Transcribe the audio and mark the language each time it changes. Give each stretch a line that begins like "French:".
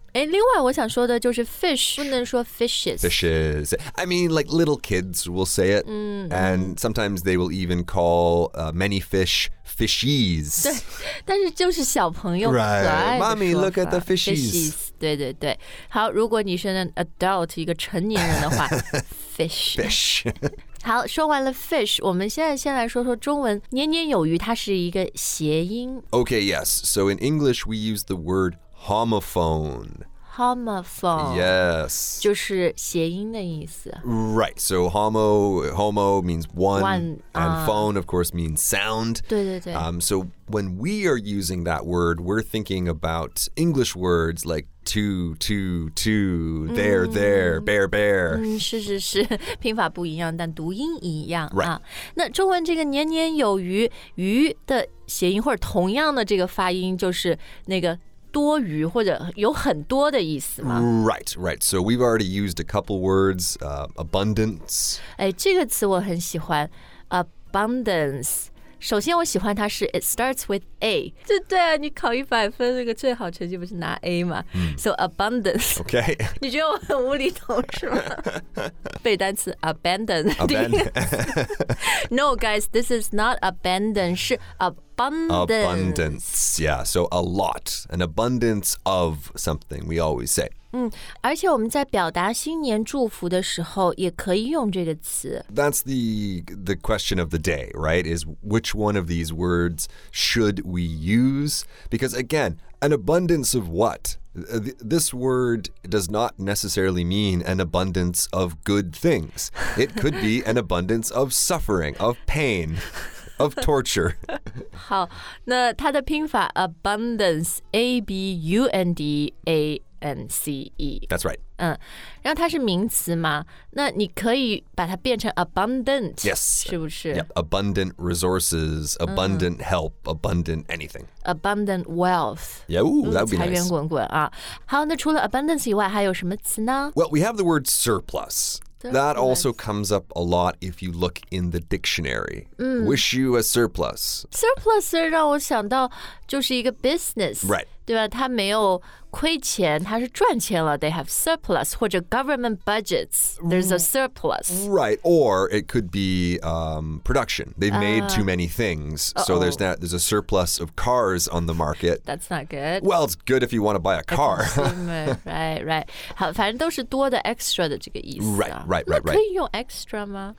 Chinese: 哎，另外我想说的就是 fish 不能说 fishes.
English: Fishes. I mean, like little kids will say it, and sometimes they will even call many fish fishies.
Chinese: 对，但是就是小朋友可爱的说法。
English: Mommy, look at the fishies.
Chinese: Fishies. 对对对。好，如果你是
English: an adult
Chinese: 一个成年人的话，fish.
English: Fish.
Chinese: 好，说完了 fish, 我们现在先来说说中文年年有余，它是一个谐音。
English: Okay, yes. So in English, we use the word homophone. Homophone. Yes.
Chinese: 就是谐音的意思。
English: Right. So homo means one, and phone, of course, means sound.
Chinese: 对对对。
English: So when we are using that word, we're thinking about English words like,two, there, bear.
Chinese: 是是是，拼法不一样，但读音一样。
English: Right.
Chinese: 那中文这个年年有余，余的谐音或者同样的这个发音就是那个多余或者有很多的意思吗？
English: Right, right. So we've already used a couple words, abundance.
Chinese: 哎，这个词我很喜欢 ,abundance. 首先我喜欢它是
English: it starts with A.
Chinese: 这对啊，你考一百分那个最好成绩不是拿 A 吗？
English: So abundance. Okay.
Chinese: 你觉得我很无厘头是吗？背单词 abandon.
English: Abandon. No, guys, this is not abandon,
Chinese: 是
English: abundance. Abundance, yeah. So a lot, an abundance of something, we always say.
Chinese: 而且我们在表达新年祝福的时候也可以用这个词。
English: That's the question of the day, right? Is which one of these words should we use? Because again, an abundance of what? This word does not necessarily mean an abundance of good things. It could be an abundance of suffering, of pain, of torture.
Chinese: 好，那它的拼法 abundance, A-B-U-N-D-A-N-C-E.
English: That's right.
Chinese: 然后它是名词嘛，那你可以把它变成 abundant.
English: Yes.
Chinese: 是不是
English: yep. Abundant resources, abundant help, abundant anything. Abundant wealth. Yeah, ooh, that would be nice.
Chinese: 财源滚滚啊。好，那除了 abundance 以外还有什么词呢？
English: Well, we have the word surplus. That also comes up a lot if you look in the dictionary. Wish you a surplus.
Chinese: Surplus 让我想到就是一个 business.
English: Right.
Chinese: 对吧，他没有亏钱，他是赚钱了。
English: They have surplus,
Chinese: 或者
English: government budgets, there's a surplus. Right, or it could be production. They've made too many things, so there's a surplus of cars on the market. That's not good. Well, it's good if you want to buy a car. Right, right.
Chinese: 好，反正都是多的 extra 的这个意思。
English: Right.
Chinese: 那可以用 extra 吗？